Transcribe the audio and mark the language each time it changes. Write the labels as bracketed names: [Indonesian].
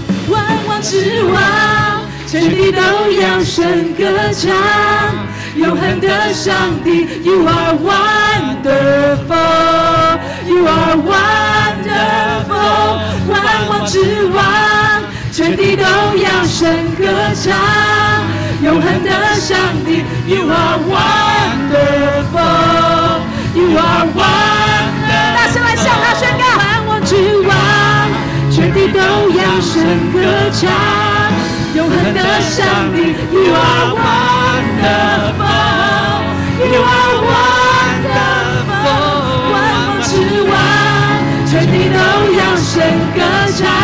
[Chinese] 万王之王，全地都要声歌唱。永恒的上帝 [English] ，You are wonderful. You are wonderful. [Chinese] 万王之王，全地都要声歌唱。永恒的上帝 [English] ，You are wonderful. You are wonderful. [Chinese] 大声来向他宣告，万王之王，全地都要声歌唱。永恒的上帝 ， [English] You are wonderful, You are wonderful, [Chinese] 万王之王，全地都要声歌唱。